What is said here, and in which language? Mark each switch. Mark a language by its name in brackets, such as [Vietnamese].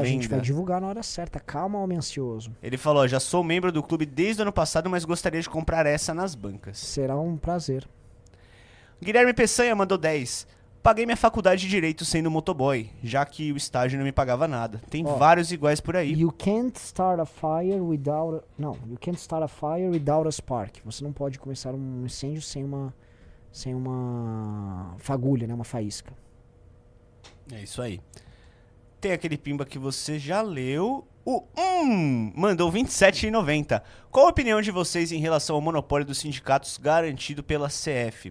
[Portuguese] A gente vai divulgar na hora certa. Calma, homem ansioso. Ele falou, já sou membro do clube desde o ano passado, mas gostaria de comprar essa nas bancas. Será um prazer. Guilherme Peçanha mandou 10. Paguei minha faculdade de Direito sendo motoboy, já que o estágio não me pagava nada. Tem vários iguais por aí. [English] You can't start a fire without... [Portuguese] Não, [English] you can't start a fire without a spark. [Portuguese] Você não pode começar um incêndio sem uma fagulha, né? Uma faísca. É isso aí. Tem aquele pimba que você já leu. O mandou R$27,90. Qual a opinião de vocês em relação ao monopólio dos sindicatos garantido pela CF?